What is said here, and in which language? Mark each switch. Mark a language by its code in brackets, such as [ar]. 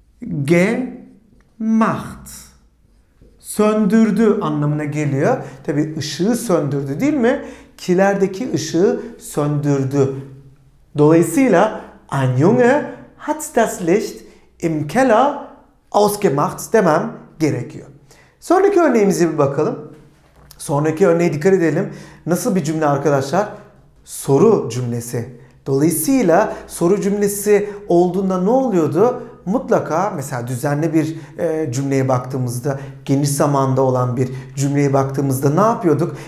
[tr] Ausgemacht. Söndürdü anlamına geliyor. Tabii ışığı söndürdü, değil mi? Kilerdeki ışığı söndürdü. Dolayısıyla [de] ein Junge hat das Licht im Keller ausgemacht [tr] demem gerekiyor. Sonraki örneğimize bir bakalım. Sonraki örneğe dikkat edelim. Nasıl bir cümle arkadaşlar? Soru cümlesi. Dolayısıyla soru cümlesi olduğunda ne oluyordu? Mutlaka mesela düzenli bir cümleye baktığımızda, geniş zamanda olan bir cümleye baktığımızda ne yapıyorduk?